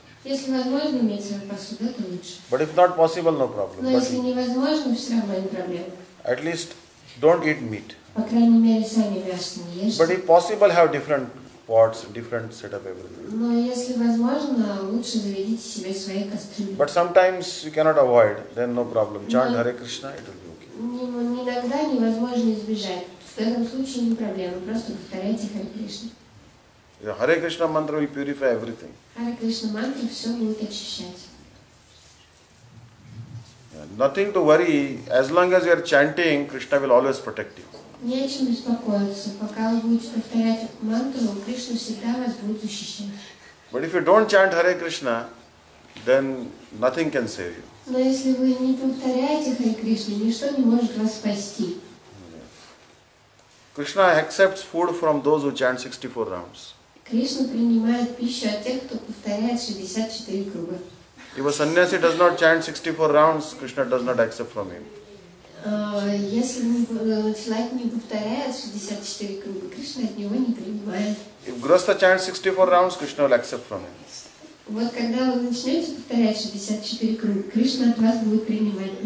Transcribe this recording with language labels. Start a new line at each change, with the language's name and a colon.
Russian: Если возможно иметь свою посуду, это лучше.
English: But if not possible, no problem.
Russian: Но если невозможно, все равно не проблема.
English: At least, don't eat meat.
Russian: По крайней мере, сами мясо не ешьте.
English: But if possible, have different pots, different setup, everything.
Russian: Но если возможно, лучше заведите себе свои кастрюли.
English: But sometimes you cannot avoid, then no problem. Chant Hare Krishna, it will be okay.
Russian: Иногда невозможно избежать. В этом случае не проблема. Просто повторяйте Hare Krishna.
English: Yeah, Hare Krishna mantra will purify everything.
Russian: Hare Krishna mantra все будет очищать.
English: Nothing to worry, as long as you are chanting, Krishna will always protect you.
Russian: Не о чем беспокоиться. Пока вы будете повторять мантру, Кришна всегда вас будет защищать.
English: But if you don't chant Hare Krishna, then nothing can save you.
Russian: Но если вы не повторяете Hare Krishna, ничто не может вас спасти.
English: Krishna accepts food from those who chant 64 rounds.
Russian: Кришна принимает пищу от тех, кто повторяет 64 круга.
English: If a sannyasi does not chant 64 rounds, Krishna does not accept from him. If Grastha chants 64 rounds, Krishna will accept from him.